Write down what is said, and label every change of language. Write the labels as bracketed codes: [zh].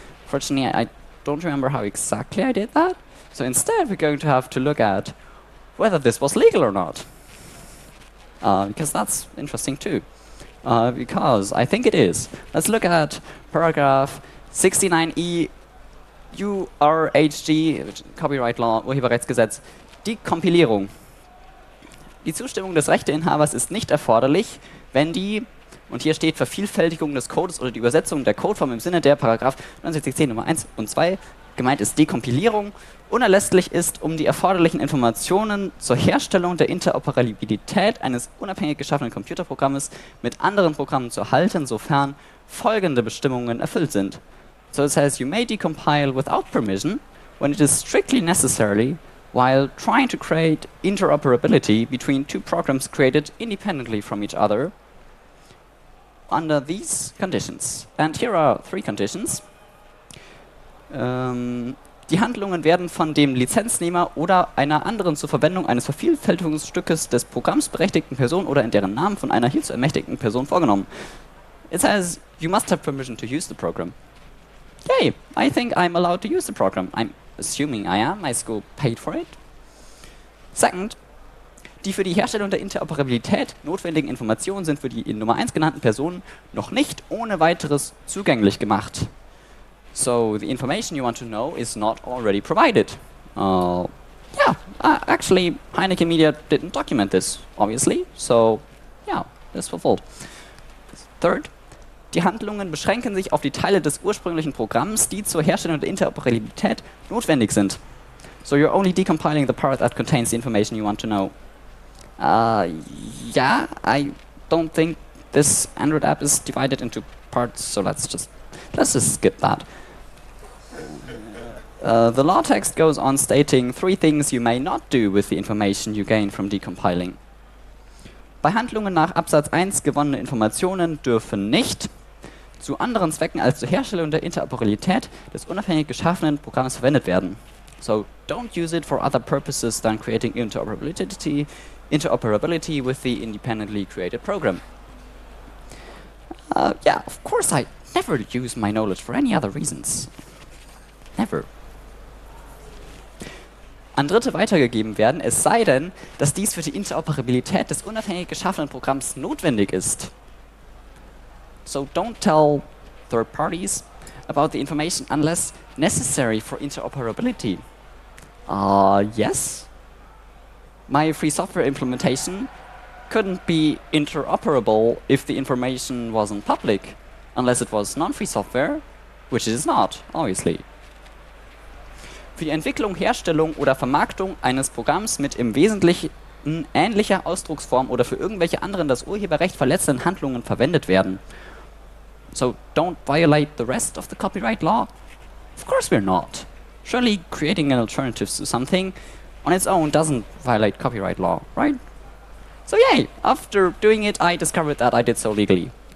[en] Fortunately, I don't remember how exactly I did that. So instead, we're going to have to look at whether this was legal or not. Because that's interesting too. Because I think it is. Let's look at paragraph 69e. [de] URHG, [en] Copyright Law, [de] Urheberrechtsgesetz, die Kompilierung. Die Zustimmung des Rechteinhabers ist nicht erforderlich, wenn die, und hier steht Vervielfältigung des Codes oder die Übersetzung der Codeform im Sinne der Paragraph 69c Nummer 1 und 2, gemeint ist die Kompilierung, unerlässlich ist, um die erforderlichen Informationen zur Herstellung der Interoperabilität eines unabhängig geschaffenen Computerprogrammes mit anderen Programmen zu erhalten, sofern folgende Bestimmungen erfüllt sind. [en] So it says, you may decompile without permission when it is strictly necessary while trying to create interoperability between two programs created independently from each other under these conditions. And here are three conditions. [de] Die Handlungen werden von dem Lizenznehmer oder einer anderen zur Verwendung eines Vervielfältigungsstückes des Programms berechtigten Person oder in deren Namen von einer hierzu ermächtigten Person vorgenommen. [en] It says, you must have permission to use the program. Yay, I think I'm allowed to use the program. I'm assuming I am. My school paid for it. [de] Second, die für die Herstellung der Interoperabilität notwendigen Informationen sind für die in Nummer 1 genannten Personen noch nicht ohne weiteres zugänglich gemacht. [en] So, the information you want to know is not already provided. Actually, Heineken Media didn't document this, obviously. So, yeah, that's fulfilled. [de] Third, die Handlungen beschränken sich auf die Teile des ursprünglichen Programms, die zur Herstellung der Interoperabilität notwendig sind. [en] So you're only decompiling the part that contains the information you want to know. I don't think this Android app is divided into parts, so let's just skip that. The law text goes on stating three things you may not do with the information you gain from decompiling. [de] Bei Handlungen nach Absatz 1 gewonnene Informationen dürfen nicht zu anderen Zwecken als zur Herstellung der Interoperabilität des unabhängig geschaffenen Programms verwendet werden. [en] So, don't use it for other purposes than creating interoperability with the independently created program. Of course I never use my knowledge for any other reasons. Never. [de] An Dritte weitergegeben werden, es sei denn, dass dies für die Interoperabilität des unabhängig geschaffenen Programms notwendig ist. [en] So don't tell third parties about the information unless necessary for interoperability. Yes? My free software implementation couldn't be interoperable if the information wasn't public, unless it was non-free software, which it is not, obviously. [de] Für die Entwicklung, Herstellung oder Vermarktung eines Programms mit im Wesentlichen ähnlicher Ausdrucksform oder für irgendwelche anderen das Urheberrecht verletzenden Handlungen verwendet werden. [en] So don't violate the rest of the copyright law? Of course we're not. Surely creating an alternative to something on its own doesn't violate copyright law, right? So yay, after doing it, I discovered that I did so legally.